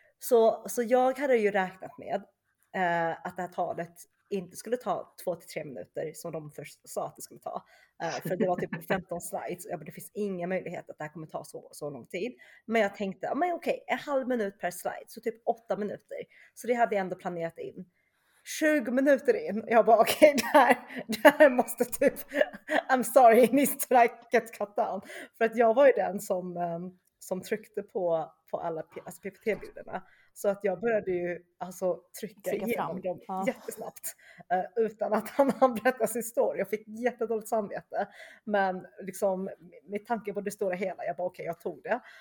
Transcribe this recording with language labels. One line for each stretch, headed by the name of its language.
Swedish: Så jag hade ju räknat med att det här talet inte skulle ta 2 till 3 minuter som de först sa att det skulle ta. För det var typ 15 slides. Ja, det finns inga möjligheter att det här kommer ta så lång tid. Men jag tänkte, men okej, en halv minut per slide. Så typ 8 minuter. Så det hade jag ändå planerat in. 20 minuter in. Jag bara, okej, det här måste typ...
English: I'm sorry, it needs to like get cut down.
Swedish: För att jag var ju den som tryckte på alla alltså PPT-bilderna. Så att jag började ju alltså trycka igenom dem jättesnabbt. Utan att han berättade sin story. Jag fick jättedåligt samvete. Men liksom, med tanke på det stora hela. Jag bara, okej, jag tog det.